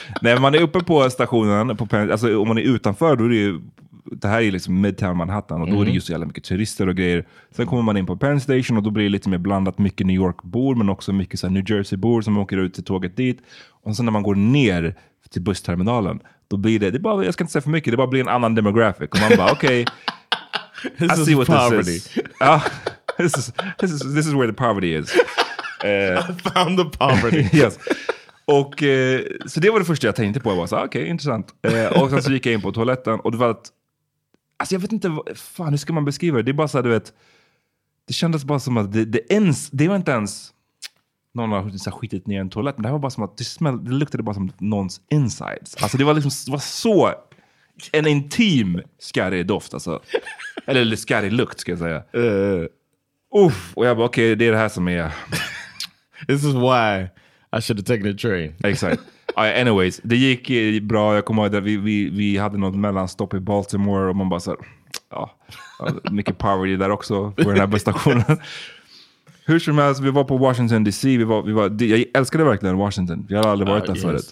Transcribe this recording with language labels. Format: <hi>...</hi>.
<sv>När man är uppe på stationen, på Penn, alltså om man är utanför, då är det ju, det här är liksom Midtown Manhattan, och då är det ju så jävla mycket turister och grejer. Sen kommer man in på Penn Station, och då blir det lite mer blandat, mycket New York-bor, men också mycket så här New Jersey-bor som åker ut till tåget dit. Och sen när man går ner till bussterminalen, då blir det bara, jag ska inte säga för mycket, det bara blir en annan demographic. Och man bara, okej,</sv> <en>okay, I see what poverty. This is. This is where the poverty is. I found the poverty. Yes.</en> <sv>Och så det var det första jag tänkte på. Jag bara, okej, okay, intressant. Och sen så gick jag in på toaletten, och det var att, alltså jag vet inte, fan, hur ska man beskriva det? Det är bara så här, du vet, det kändes bara som att det var inte ens någon har så skitit ner en toalett, men det här var bara som att det luktade bara som någons insides. Alltså det var liksom, det var så en intim skärrig doft, alltså. Eller skärrig lukt, ska jag säga. Och jag bara, okej, okay, det är det här som är.</sv> <en>This is why I should have taken a train.</en> <sv>Exakt. Anyways, det gick bra. Jag kommer ihåg att vi hade något mellanstopp i Baltimore, och man bara så här, ja, mycket poverty där också på den här busstationen. Hur som helst, vi var på Washington DC. Jag älskade verkligen Washington. Jag hade aldrig varit där förut.</sv>